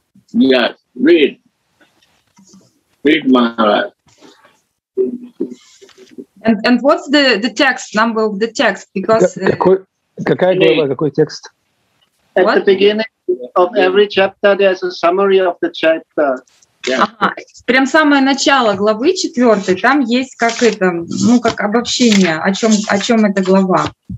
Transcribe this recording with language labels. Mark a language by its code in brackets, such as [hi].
[en] Yes, read. Read, Maharaj. And what's the text, number of the text? Because [ru] какая глава, какой текст? [en] At what? The beginning of every chapter there's a summary of the chapter. Yeah. [ru] Прям самое начало главы четвёртой, там есть как это, ну как обобщение, о чём эта глава.